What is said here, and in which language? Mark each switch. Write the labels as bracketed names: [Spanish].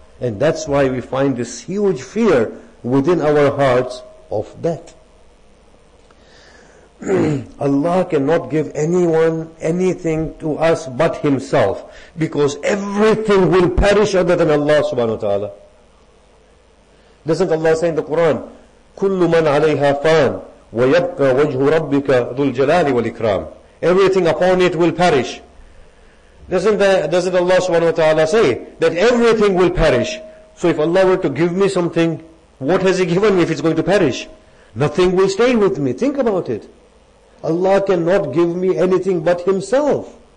[English] And that's why we find this huge fear within our hearts of death. Allah cannot give anyone anything to us but Himself, because everything will perish other than Allah subhanahu wa ta'ala. Doesn't Allah say in the Quran, [Arabic] كُلُّ مَنْ عَلَيْهَا فَانْ وَيَبْقَى وَجْهُ رَبِّكَ ذُو الْجَلَالِ وَالْإِكْرَامِ. [English] Everything upon it will perish. Doesn't Allah subhanahu wa ta'ala say that everything will perish? So if Allah were to give me something, what has He given me if it's going to perish? Nothing will stay with me. Think about it. Allah cannot give me anything but Himself.